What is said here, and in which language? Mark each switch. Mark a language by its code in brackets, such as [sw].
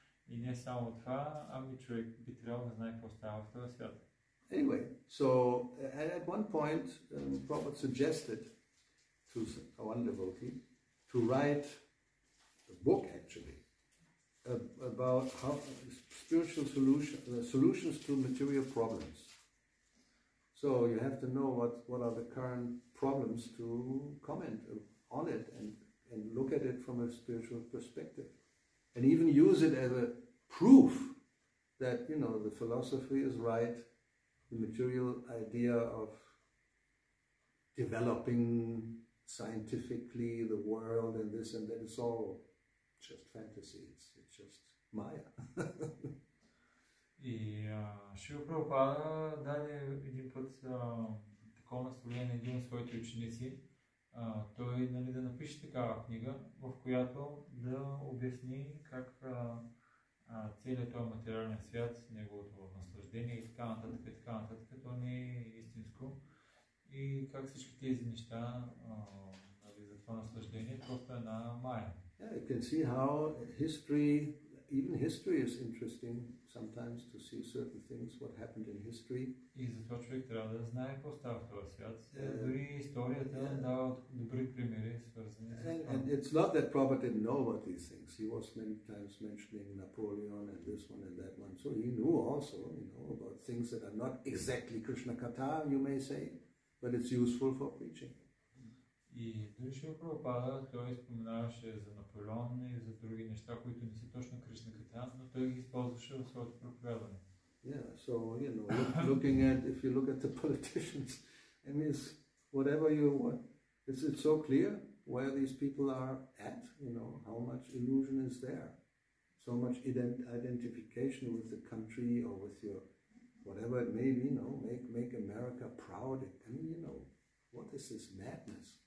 [bg] И не само това, ами човек би трябвало да знае какво става в този свят. [en] Anyway, so at one point Prabhupada suggested to one devotee to write a book actually about how spiritual solutions to material problems. So you have to know what are the current problems to comment on it and look at it from a spiritual perspective. And even use it as a proof that, you know, the philosophy is right, the material idea of developing scientifically the world and this and that, it's all just fantasy, it's just Maya. [bg] И Шрила Прабхупада даде един път такова наставление на един от своите ученици, той, нали, да напише такава книга, в която да обясни как целият този материален свят, неговото наслаждение и така нататък, то не е истинско. И как всички тези неща, нали, за това наслаждение, просто една майя. [en] Yeah, you can see how history, even history is interesting sometimes to see certain things, what happened in history. [bg] И затова човек трябва да знае какво става в този свят. Дори историята дава добри примери, свързани с това. [en] And it's not that Prabhupada didn't know about these things. He was many times mentioning Napoleon and this one and that one. So he knew also, you know, about things that are not exactly Krishna Katha, you may say, but it's useful for preaching. [bg] И дори Шрила Прабхупада, той споменаваше за Наполеон и за други неща, които не са точно Кришна Катха, но той ги използваше в своето проповядване. [en] Yeah, so, you know, looking at, if you look at the politicians, I mean, it's whatever you want, it's so clear where these people are at, you know, how much illusion is there, so much identification with the country or with your, whatever it may be, you know, make America proud. I mean, you know, what is this madness?